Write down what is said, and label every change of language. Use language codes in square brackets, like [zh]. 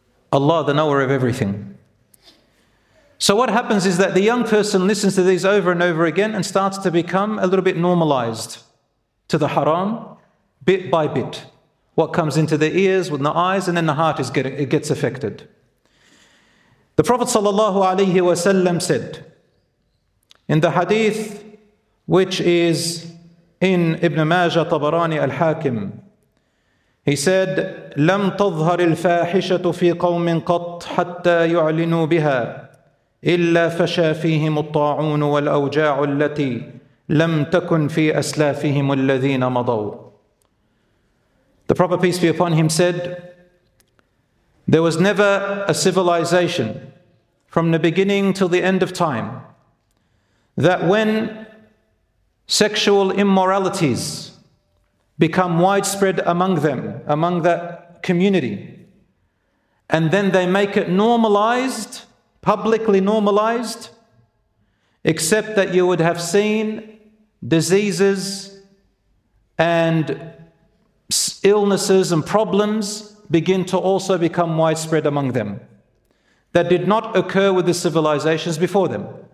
[en] Allah, the knower of everything. So what happens is that the young person listens to these over and over again and starts to become a little bit normalized to the haram, bit by bit. What comes into the ears, with the eyes, and then the heart gets affected. The Prophet sallallahu alaihi wasallam said in the hadith, which is in Ibn Majah, Tabarani, Al-Hakim, he said, [ar] لَمْ تَظْهَرِ الْفَاحِشَةُ فِي قَوْمٍ قَطْ حَتَّى يُعْلِنُوا بِهَا إِلَّا فَشَى فِيهِمُ الطَّاعُونُ وَالْأَوْجَاعُ الَّتِي لَمْ تَكُنْ فِي أَسْلَافِهِمُ الَّذِينَ مَضَوْا. [en] The Prophet, peace be upon him, said, there was never a civilization from the beginning till the end of time that when sexual immoralities become widespread among them, among that community, and then they make it normalized, publicly normalized, except that you would have seen diseases and illnesses and problems begin to also become widespread among them that did not occur with the civilizations before them.